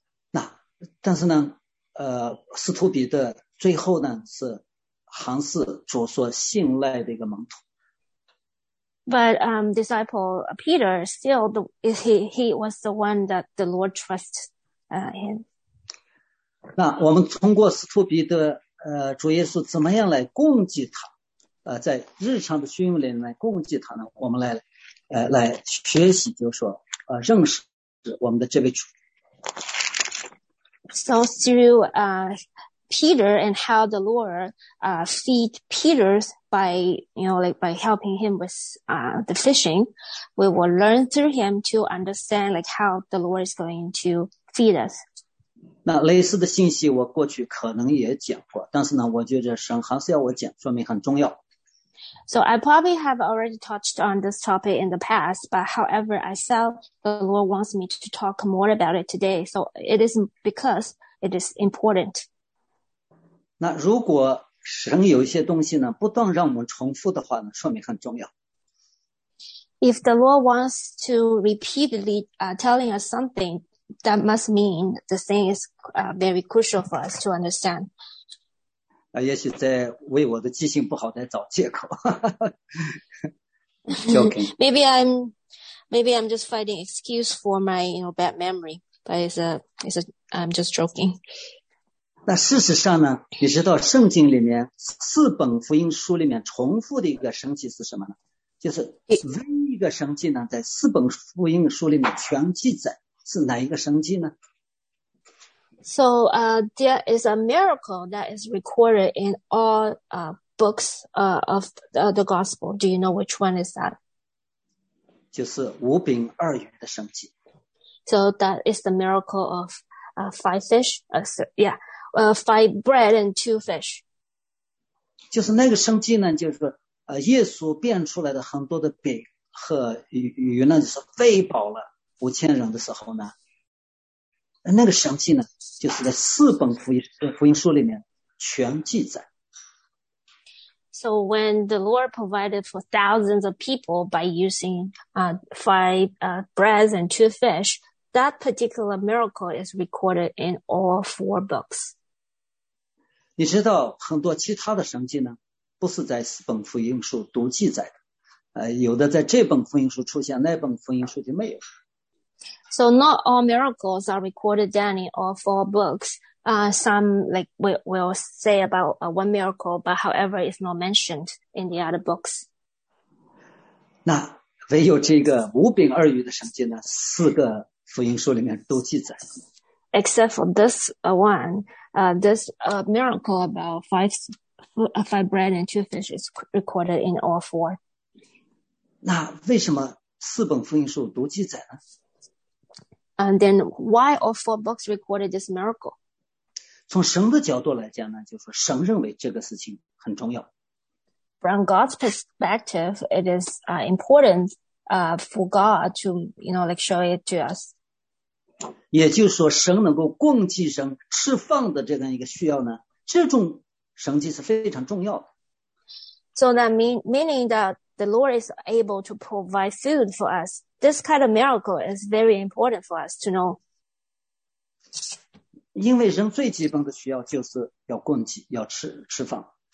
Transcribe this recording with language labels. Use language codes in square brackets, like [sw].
[zh] 那但是呢，使徒彼得最后呢是还是主所信赖的一个门徒。 [en] But disciple Peter still the, he was the one that the Lord trusts him. [zh] 那我们通过使徒彼得主耶稣怎么样来供给他在日常的训练来供给他呢我们来来学习就是说认识我们的这位主。 [en] So through Peter and how the Lord feed Peter's by, by helping him with the fishing, we will learn through him to understand like how the Lord is going to feed us. [zh] 那类似的信息我过去可能也讲过，但是呢，我觉得神还是要我讲，说明很重要。 [en] So I probably have already touched on this topic in the past, but however, I felt the Lord wants me to talk more about it today. So it is because it is important. [zh] 那如果神有一些东西呢，不断让我们重复的话呢，说明很重要。 [en] If the Lord wants to repeatedly telling us something, that must mean the thing is very crucial for us to understand. [zh] 也许在为我的记性不好在找借口。 [en] Joking. Maybe I'm just finding excuse for my bad memory, but I'm just joking. [zh] 那事实上呢，你知道圣经里面四本福音书里面重复的一个神迹是什么呢？就是唯一一个神迹呢，在四本福音书里面全记载是哪一个神迹呢？ [en] So there is a miracle that is recorded in all books of the gospel. Do you know which one is that? [zh] 就是五饼二鱼的神迹。 [en] So that is the miracle of five fish. Five bread and two fish. [zh] 就是那个生机呢，就是耶稣变出来的很多的饼和鱼呢，就是喂饱了五千人的时候呢，那个生机呢，就是在四本福音书里面全记载。 [en] So when the Lord provided for thousands of people by using five bread and two fish, that particular miracle is recorded in all four books. [zh] 你知道很多其他的神迹呢不是在四本福音书都记载的有的在这本福音书出现那本福音书就没有。 [en] So not all miracles are recorded down in all four books. Some like will say about one miracle, but however it's not mentioned in the other books. [zh] 那唯有这个五饼二鱼的神迹呢四个福音书里面都记载。 [en] Except for this one,this miracle about five bread and two fish is recorded in all four. [zh] 那为什么四本福音书都记载呢？ [en] And then why all four books recorded this miracle? [zh] 从神的角度来讲呢，就是说神认为这个事情很重要。 [en] From God's perspective, it is important for God to, show it to us. [zh] 也就是说神能够供给人吃饭的这样一个需要呢这种神迹是非常重要的。 [en] So that meaning that the Lord is able to provide food for us, this kind of miracle is very important for us to know. [zh] 因为人最基本的需要就是要供给要吃饭。